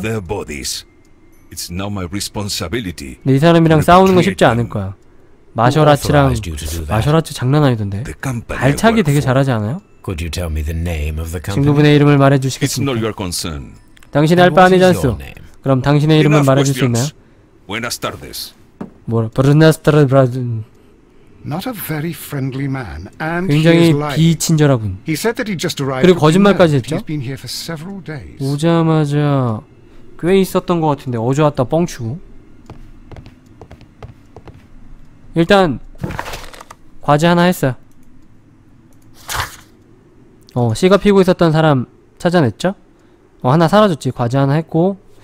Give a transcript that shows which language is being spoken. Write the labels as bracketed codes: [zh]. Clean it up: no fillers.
[en] It's not my responsibility. [ko] 근데 이 사람이랑 싸우는 건 쉽지 않을 거야. 마셔라치랑 마셔라치 장난 아니던데. 알차기 되게 잘하지 않아요? [en] Could you tell me the name of the company? [ko] 친구분의 이름을 말해 주시겠습니까? [en] It's not your concern. [ko] 당신이 할 바 아니지 않소? 그럼 당신의 이름을 말해 줄 수 있나요? [es] Buenas tardes. [ko] 뭐라? [es] Buenas tardes, Brazil. [en] Not a very friendly man, and [ko] 굉장히 비친절하군. [en] He said that he just arrived. [ko] 그리고 거짓말까지 했죠? 오자마자 꽤 있었던 것 같은데 어제 왔다 뻥치고. 일단 과제 하나 했어요. 어, 씨가 피고 있었던 사람 찾아냈죠? 어, 하나 사라졌지. 과제 하나 했고.